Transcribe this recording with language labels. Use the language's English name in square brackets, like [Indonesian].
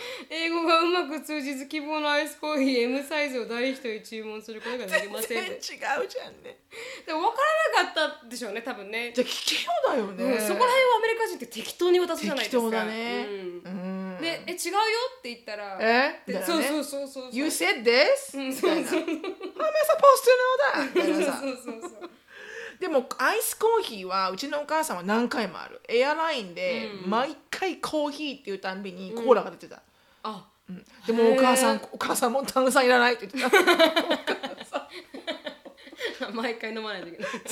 [Japanese] 英語がうまく通じず希望のアイスコーヒー M サイズを第一人に注文することができません。全然違うじゃんね。でも分からなかったでしょうね、多分ね。じゃあ聞けようだよね、うん、そこら辺はアメリカ人って適当に渡すじゃないですか。適当だね、うんうん、で、え、違うよって言ったら、え、ね、そうそうそうそう、 [English] You said this? [Japanese] うん、そうそうそう [English] I'm supposed to know that [Japanese] そうそうそうそうでもアイスコーヒーはうちのお母さんは何回もある。エアラインで毎回コーヒーっていうたんびにコーラが出てた、うんあうん、でもお母さんも炭酸いらないって言ってたお母さん毎回飲まないといけない